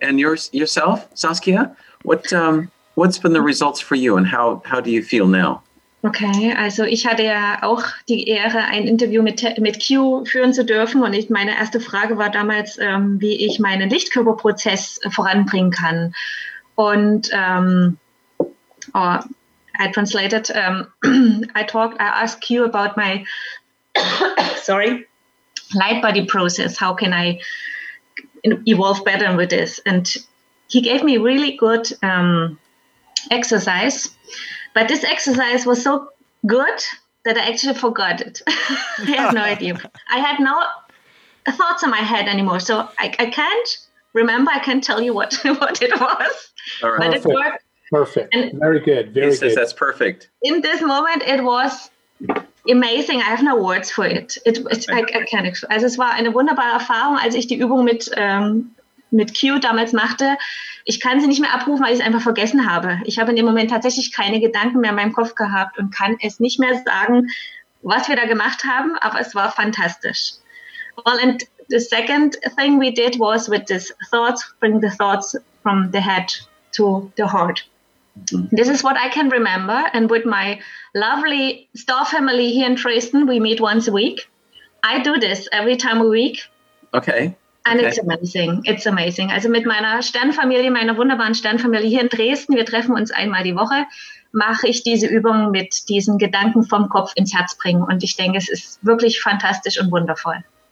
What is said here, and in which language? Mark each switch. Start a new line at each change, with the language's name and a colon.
English: And yourself, Saskia, what's been the results for you and how do you feel now?
German: Okay, also ich hatte ja auch die Ehre, ein Interview mit Q führen zu dürfen. Und meine erste Frage war damals, wie ich meinen Lichtkörperprozess voranbringen kann.
English: Und I asked Q about my light body process. How can I evolve better with this? And he gave me really good exercise. But this exercise was so good that I actually forgot it. I have no idea. I had no thoughts in my head anymore. So I can't remember. I can't tell you what it was. All right. But it worked. Perfect. And very good. Very good. That's perfect. In this moment, it was amazing. I have no words for it. I can't.
German: Also es war eine wunderbare Erfahrung, als ich die Übung mit Q damals machte. Ich kann sie nicht mehr abrufen, weil ich es einfach vergessen habe. Ich habe in dem Moment tatsächlich keine Gedanken mehr in meinem Kopf gehabt und kann es nicht mehr sagen, was wir da gemacht haben, aber es war fantastisch.
English: Well, and the second thing we did was with this thoughts, bring the thoughts from the head to the heart. This is what I can remember. And with my lovely star family here in Dresden, we meet once a week. I do this every time a week. Okay. And it's amazing.
German: Also mit meiner Sternfamilie, meiner wunderbaren Sternfamilie hier in Dresden, wir treffen uns einmal die Woche, mache ich diese Übung mit diesen Gedanken vom Kopf ins Herz bringen. Und ich denke, es ist wirklich fantastisch und wundervoll.